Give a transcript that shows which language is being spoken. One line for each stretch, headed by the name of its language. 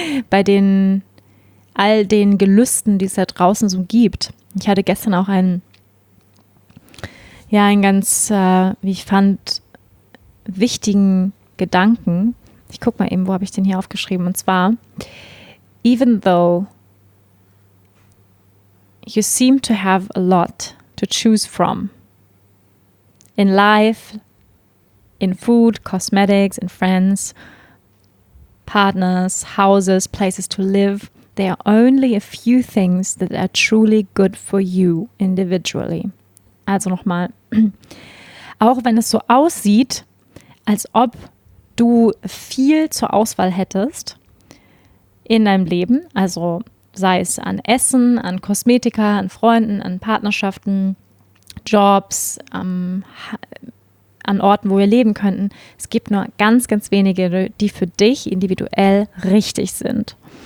German: Bei den all den Gelüsten, die es da draußen so gibt. Ich hatte gestern auch einen ganz, wie ich fand, wichtigen Gedanken. Ich guck mal eben, wo habe ich den hier aufgeschrieben? Und zwar,
English: even though you seem to have a lot to choose from in life, in food, cosmetics, in friends, partners, houses, places to live, there are only a few things that are truly good for you individually.
German: Also nochmal, auch wenn es so aussieht, als ob du viel zur Auswahl hättest in deinem Leben, also sei es an Essen, an Kosmetika, an Freunden, an Partnerschaften, Jobs, an Orten, wo wir leben könnten, es gibt nur ganz, ganz wenige, die für dich individuell richtig sind.